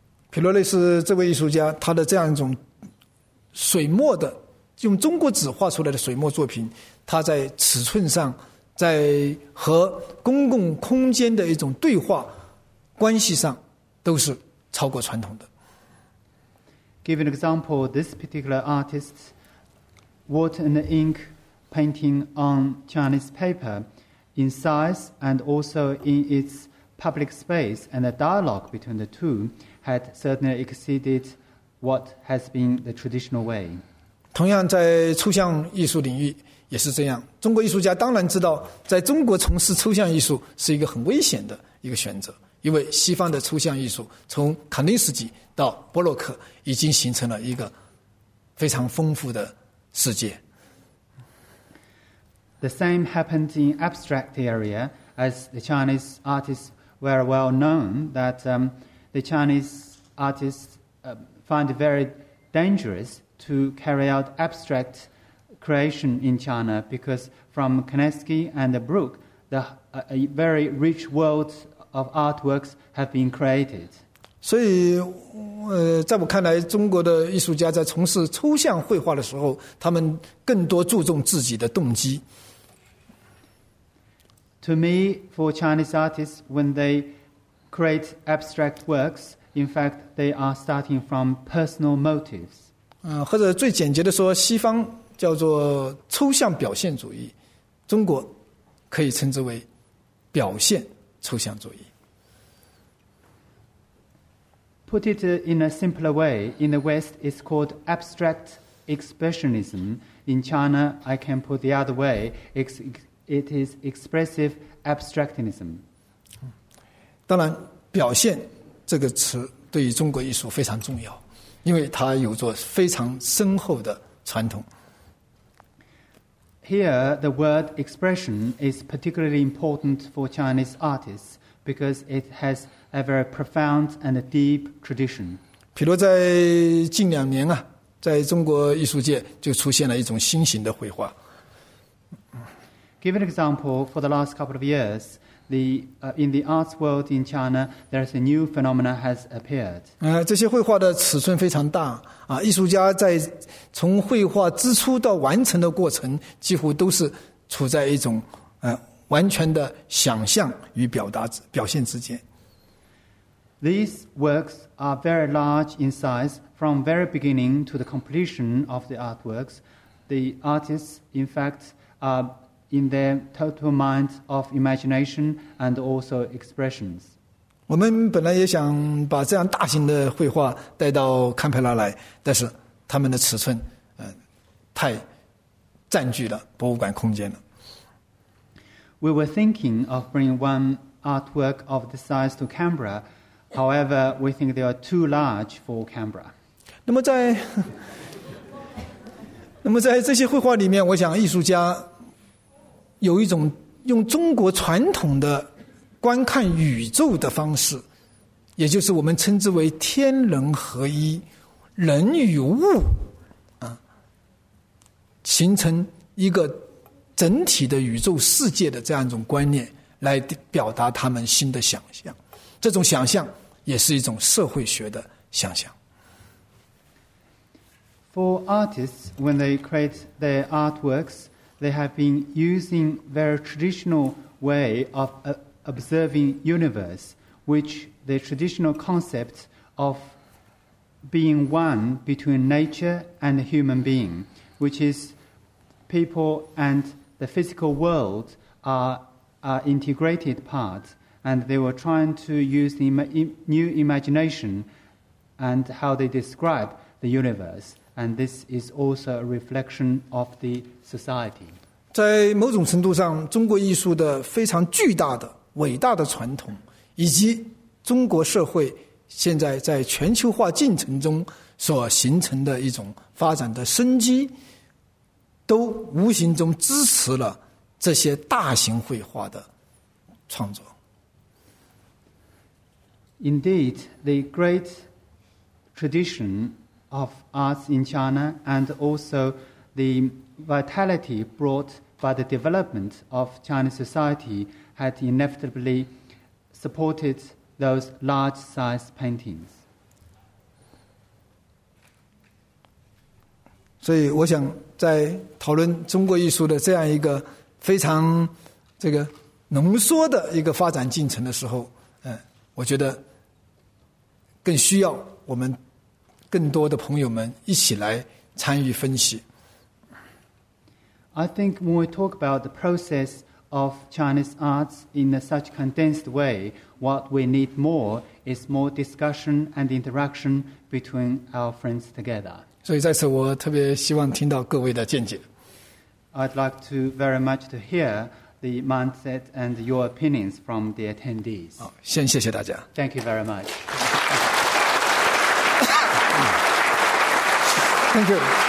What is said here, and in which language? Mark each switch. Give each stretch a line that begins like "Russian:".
Chinese: 皮罗内斯这位艺术家，他的这样一种水墨的用中国纸画出来的水墨作品，它在尺寸上，在和公共空间的一种对话关系上，都是超过传统的。
English: Give an example, this particular artist's water and ink painting on Chinese paper, in size and also in its public space and the dialogue between the two, had certainly exceeded what has been the traditional way.
Chinese: 同样在抽象艺术领域也是这样，中国艺术家当然知道在中国从事抽象艺术是一个很危险的一个选择，因为西方的抽象艺术从康定斯基到波洛克已经形成了一个非常丰富的世界。
English: The same happened in abstract area as the Chinese artists were well known that the Chinese artists find it very dangerous to carry out abstract creation in China because from Kinesky and Brook a very rich world of artworks have been created.
Chinese: 所以在我看来中国的艺术家在从事抽象绘画的时候他们更多注重自己的动机。
English: To me, for Chinese artists, when they create abstract works, in fact, they are starting from personal motives.
Chinese: 或者最简洁的说西方叫做抽象表现主义，中国可以称之为表现抽象主义。
English: Put it in a simpler way, in the West it's called abstract expressionism. In China, I can put the other way, it is expressive abstractionism.
Chinese: 当然表现这个词对于中国艺术非常重要，因为它有着非常深厚的传统。
English: Here, the word expression is particularly important for Chinese artists because it has a very profound and deep tradition.
Chinese: 比如在近两年啊，在中国艺术界就出现了一种新型的绘画。
English: Give an example, for the last couple of years, in the arts world in China, there is a new phenomenon has appeared.
Chinese: 这些绘画的尺寸非常大。艺术家在从绘画之初到完成的过程几乎都是处在一种完全的想象与表现之间。
English: These works are very large in size from very beginning to the completion of the artworks. The artists in fact are in their total mind of imagination and also expressions.
Chinese: 我们本来也想把这样大型的绘画带到堪培拉来，但是他们的尺寸太占据了博物馆空间了。
English: We were thinking of bringing one artwork of this size to Canberra. However, we think they are too large for Canberra.
Chinese: 那么在这些绘画里面，我想艺术家有一种用中国传统的观看宇宙的方式，也就是我们称之为天人合一，人与物形成一个整体的宇宙世界的这样一种观念，来表达他们新的想象。这种想象也是一种社会学的想象。
English: For artists, when they create their artworks, they have been using very traditional way of observing universe, which the traditional concept of being one between nature and the human being, which is people and the physical world are integrated parts, and they were trying to use the new imagination and how they describe the universe, and this is also a reflection of the society.
Chinese: 在某种程度上，中国艺术的非常巨大的伟大的传统，以及中国社会现在在全球化进程中所形成的一种发展的生机，都无形中支持了这些大型绘画的创作。
English: Indeed, the great tradition of arts in China and also the vitality brought by the development of Chinese society had inevitably supported those large-size paintings.
Chinese: 所以我想在讨论中国艺术的这样一个非常这个浓缩的一个发展进程的时候，我觉得更需要我们更多的朋友们一起来参与分析。
English: I think when we talk about the process of Chinese arts in a such condensed way, what we need more is more discussion and interaction between our friends together.
Chinese: 所以在此我特别希望听到各位的见解。
English: I'd like to very much to hear the mindset and your opinions from the attendees.
Chinese: 好，先谢谢大家。
English: Thank you very much. Thank you.